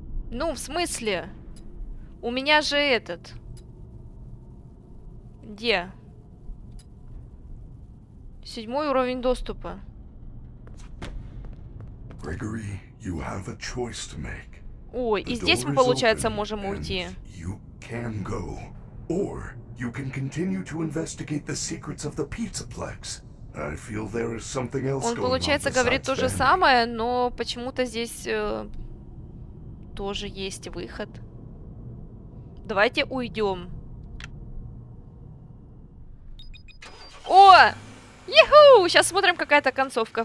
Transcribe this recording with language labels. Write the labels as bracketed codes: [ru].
[ru] Ну, в смысле? У меня же этот. Где? Седьмой уровень доступа. [en] Грегори, you have a choice to make. [ru] Ой, и здесь мы, получается, можем уйти. [en] You can go, or you can continue to investigate the secrets of the Pizzaplex. I feel there is something else going [ru] on. Он, получается, говорит то же самое, но почему-то здесь... тоже есть выход. Давайте уйдем. О! Йиху! Сейчас смотрим, какая-то концовка.